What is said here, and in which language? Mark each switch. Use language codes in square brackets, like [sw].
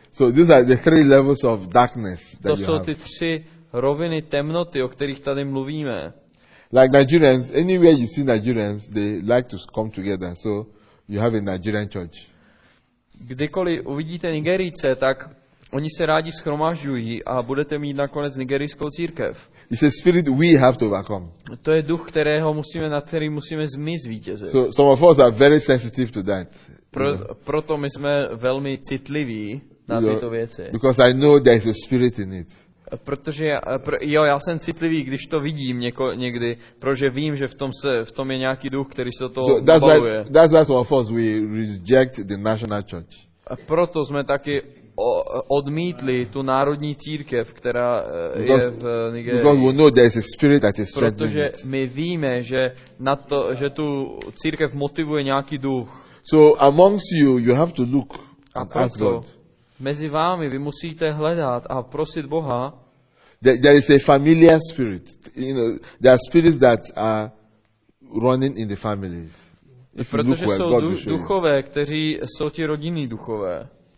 [en] So these are the three levels of darkness that [cs] to jsou ty tři roviny temnoty, o kterých tady mluvíme. [en] Like Nigerians, anywhere you see Nigerians, they like to come together. So you have a Nigerian church. [cs] Kdykoliv uvidíte Nigerijce, tak oni se rádi shromažďují a budete mít nakonec nigerijskou církev. [en] It's a spirit we have to overcome. [cs] To je duch, na který musíme zvítězit. [en] So some of us are very sensitive to that. [cs] Proto my jsme velmi citliví. [en] Because I know there is a spirit in it. [cs] Protože já jsem citlivý, když to vidím někdy, protože vím, že v tom je nějaký duch, který se toho obaluje. [en] So that's why for us we reject the national church. [cs] Proto jsme taky odmítli tu národní církev, která je v Nigerii. [en] Because we know there is a spirit that is strengthening. [cs] Protože my víme, že že tu církev motivuje nějaký duch. [en] So amongst you have to look and ask God. [cs] Mezi vámi vy musíte hledat a prosit Boha. [en] There is a familiar spirit. You know, there are spirits that are running in the families. [cs] Protože jsou duchové, kteří jsou ti rodinní duchové.